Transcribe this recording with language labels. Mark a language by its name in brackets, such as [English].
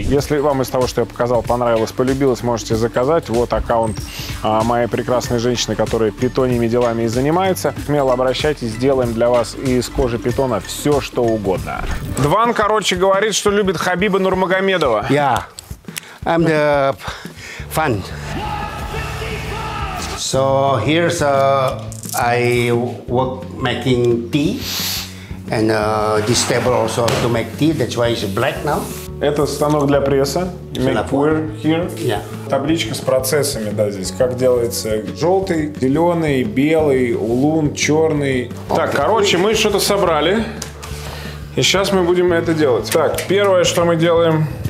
[Russian] Если вам из того, что я показал, понравилось, полюбилось, можете заказать. Вот аккаунт моей прекрасной женщины, которая питоньими делами и занимается. Смело обращайтесь, сделаем для вас из кожи питона все, что угодно. Дван, короче, говорит, что любит Хабиба Нурмагомедова. [English] Я. Yeah. I'm the fan. So here's I work making tea. And this table also to make tea, that's why it's black now. [Russian] Это станок для пресса. [English] Make wear here. Yeah. [Russian] Табличка с процессами, да, здесь. Как делается желтый, зеленый, белый, улун, черный. [English] Okay. [Russian] Так, короче, мы что-то собрали. И сейчас мы будем это делать. Так, первое, что мы делаем.